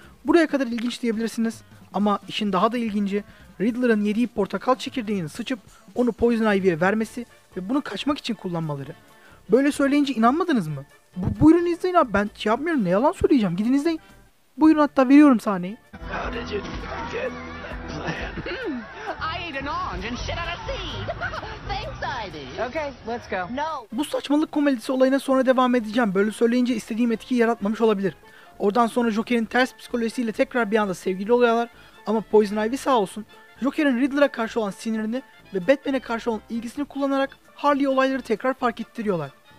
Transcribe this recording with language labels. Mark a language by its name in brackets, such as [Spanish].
[Turkish] Buraya kadar ilginç diyebilirsiniz ama işin daha da ilginci Riddler'ın yediği portakal çekirdeğini sıçıp onu Poison Ivy'ye vermesi ve bunu kaçmak için kullanmaları. Böyle söyleyince inanmadınız mı? Buyurun izleyin abi, ben şey yapmıyorum, ne yalan söyleyeceğim, gidin izleyin. Buyurun, hatta veriyorum sahneyi. [English] How did you get I ate an orange and shit out of seed. Thanks, Ivy. Okay, let's go. No. [Turkish] Bu saçmalık komedisi olayına sonra devam edeceğim. Böyle söyleyince istediğim etkiyi yaratmamış olabilir. Oradan sonra Joker'in ters psikolojisiyle tekrar bir anda sevgili oluyorlar. Ama Poison Ivy sağ olsun, Joker'in Riddler'a karşı olan sinirini ve Batman'e karşı olan ilgisini kullanarak Harley olayları tekrar fark ettiriyorlar.